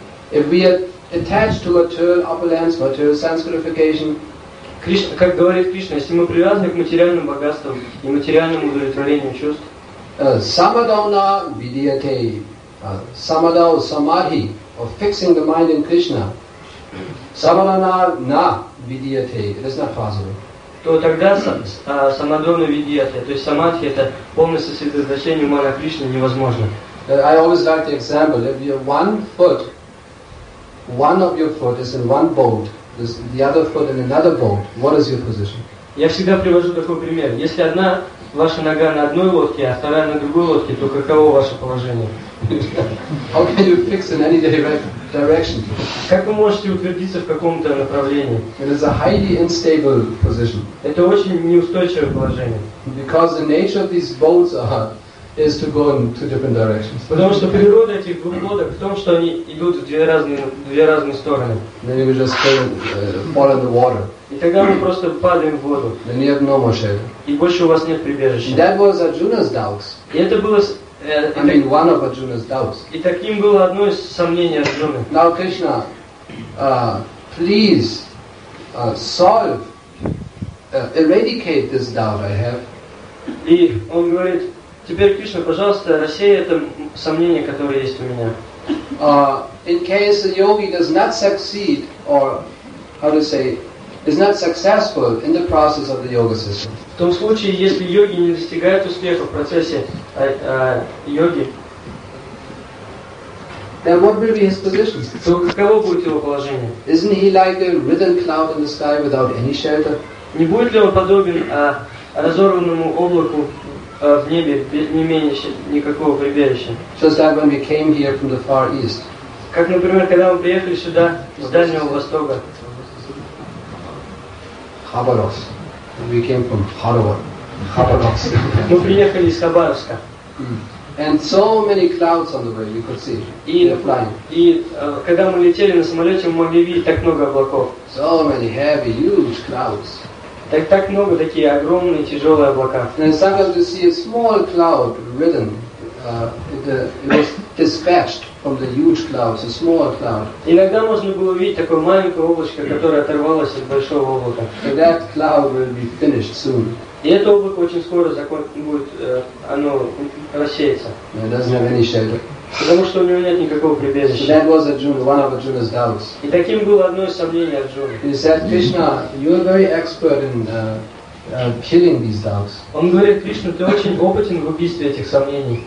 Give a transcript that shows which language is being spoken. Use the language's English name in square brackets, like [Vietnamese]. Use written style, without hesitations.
[English] If we are attached to material opulence, material sense gratification, [Russian] Krishna, как говорит Кришна, если мы привязаны к материальным богатствам и материальному удовлетворению чувств, [English] samadhauna vidyate, samadhau samadhi, of fixing the mind in Krishna, samadhana na vidyate, it is not possible. [Russian] То тогда самадхауна видьяте, то есть самадхи, это полное сосредоточение ума на Кришне, невозможно. [English] I always like the example. If you have one foot, one of your foot is in one boat, the other foot in another boat, what is your position? [Russian] Я всегда привожу такой пример. Если одна ваша нога на одной лодке, а вторая на другой лодке, то каково ваше положение? [English] How can you fix in any direction? [Russian] Как вы можете утвердиться в каком-то направлении? [English] It is a highly unstable position. [Russian] Это очень неустойчивое положение. [English] Because the nature of these boats are is to go in two different directions. [Russian] Потому что природа этих двух лодок в том, что они идут в две разные стороны. [English] Then you just fall in the water. [Russian] И тогда мы просто падаем в воду. [English] Then you have no more shelter. [Russian] И больше у вас нет прибежища. [English] That was Arjuna's doubts. [Russian] И это было [English] One of Arjuna's doubts. [Russian] И таким было одно из сомнений Арджуны. [English] Now Krishna, please solve, eradicate this doubt I have. [Russian] И он говорит, теперь Кришна, пожалуйста, рассей это сомнение, которое есть у меня. [English] In case a yogi does not succeed, or how to say, is not successful in the process of the yoga system. [Russian] В том случае, если йоги не достигают успеха в процессе йоги, [English] then what will be his position? [Russian] То каково будет его положение? [English] Isn't he like a ridden cloud in the sky without any shelter? [Russian] Не будет ли он подобен разорванному облаку в небе, не имея никакого прибежища? [English] Just like when we came here from the far east. [Russian] Как, например, когда мы приехали сюда с Дальнего Востока. Хабаровск. [English] We came from Khabarovsk. [Russian] Мы приехали из Хабаровска. [English] And so many clouds on the way, you could see. They're flying. [Russian] И когда мы летели на самолете, мы могли видеть так много облаков. [English] So many heavy, huge clouds. [Russian] Так много такие огромные тяжелые облака. [English] And sometimes you see a small cloud ridden. It was dispatched from the huge clouds, a small cloud. [Russian] Иногда можно было увидеть такое маленькое облачко, которое оторвалось от большого облака. [English] That cloud will be finished soon. [Russian] И это облако очень скоро будет, оно рассеется. [English] It doesn't have any shelter. [Russian] Потому что у него нет никакого прибежища. [English] That was Arjuna, one of Arjuna's doubts. [Russian] И таким было одно из сомнений Арджуны. [English] He said, Krishna, you are very expert in killing these doubts. [Russian] Он говорит, Кришна, ты очень опытен в убийстве этих сомнений.